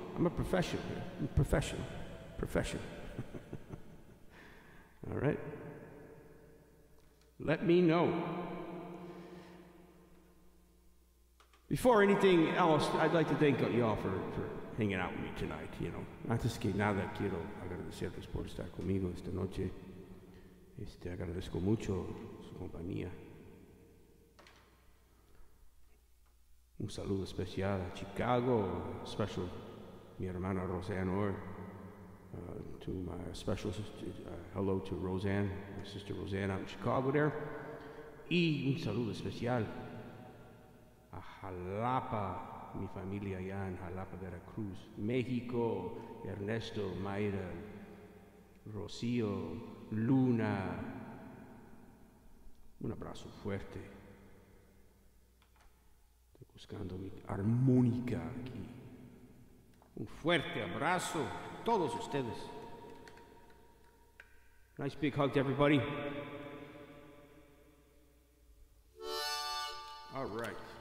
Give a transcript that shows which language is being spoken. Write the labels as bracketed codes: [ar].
[en] I'm a professional here. I'm a professional. Professional. All right. Let me know. Before anything else, I'd like to thank you all for hanging out with me tonight, you know. [es] Antes que nada, quiero agradecerles por estar conmigo esta noche. Agradezco mucho su compañía. Un saludo especial a Chicago, special, mi hermana Roseanne Orr. [en] To my special sister, hello to Roseanne, my sister Roseanne out in Chicago there. [es] Y un saludo especial a Jalapa. Mi familia allá en Jalapa, Veracruz, México, Ernesto, Mayra, Rocío, Luna. Un abrazo fuerte. Estoy buscando mi armónica aquí. Un fuerte abrazo a todos ustedes. [en] Nice big hug to everybody. All right.